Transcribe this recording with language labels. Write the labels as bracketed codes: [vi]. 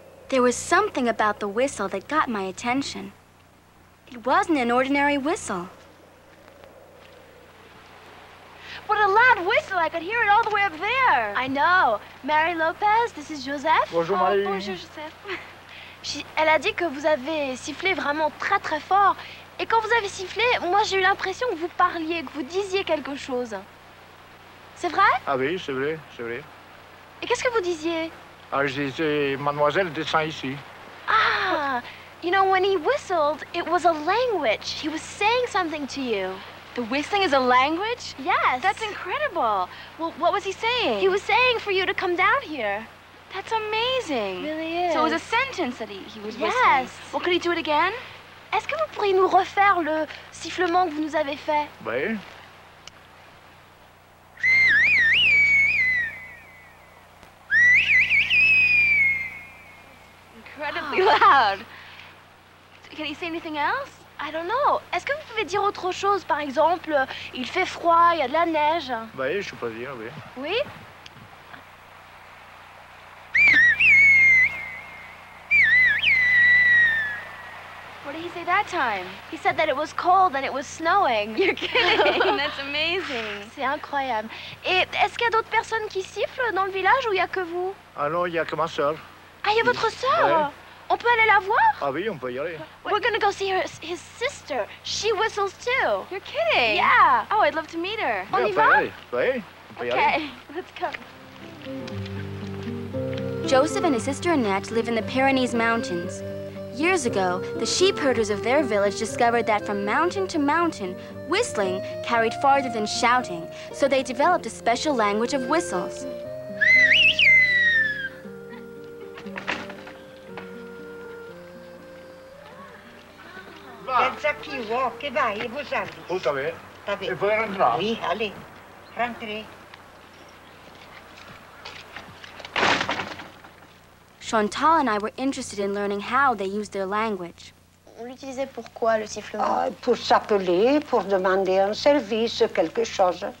[en] There was something about the whistle that got my attention. It wasn't an ordinary whistle. What a loud whistle! I could hear it all the way up there. I know. Mary Lopez, this is Joseph. [fr] Bonjour, Marie. Oh, bonjour, Joseph. Elle a dit que vous avez sifflé vraiment très, très fort. Et quand vous avez sifflé, moi, j'ai eu l'impression que vous parliez, que vous disiez quelque chose. C'est vrai? Ah oui, c'est vrai, c'est vrai. Et qu'est-ce que vous disiez? Ah, je disais, mademoiselle, descend ici. [en] Ah, you know, when he whistled, it was a language. He was saying something to you. The whistling is a language? Yes. That's incredible. Well, what was he saying? He was saying for you to come down here. That's amazing. It really is. So it was a sentence that he was yes. Yes. Well, could he do it again? [fr] Est-ce que vous pourriez nous refaire le sifflement que vous nous avez fait? Oui. [en] Incredibly loud. Can he say anything else? I don't know. [fr] Est-ce que vous pouvez dire autre chose, par exemple, il fait froid, il y a de la neige? Oui, je peux dire, oui. Oui? [en] What did he say that time? He said that it was cold and it was snowing. You're kidding. That's amazing. [fr] C'est incroyable. Et est-ce qu'il y a d'autres personnes qui sifflent dans le village ou il y a que vous? Ah non, il y a que ma sœur. Ah, il y a votre sœur? Oui. On peut aller la voir? Ah oui, on peut y aller. [en] We're gonna go see his sister. She whistles too. You're kidding. Yeah. Oh, I'd love to meet her. [fr] On oui, y va? Oui, on peut y aller. [en] Okay, let's go. Joseph and his sister Annette live in the Pyrenees Mountains. Years ago, the sheep herders of their village discovered that from mountain to mountain, whistling carried farther than shouting, so they developed a special language of whistles. Chantal and I were interested in learning how they use their language. [fr] On l'utilisait pour quoi, le sifflement? Pour s'appeler, pour demander un service, quelque chose.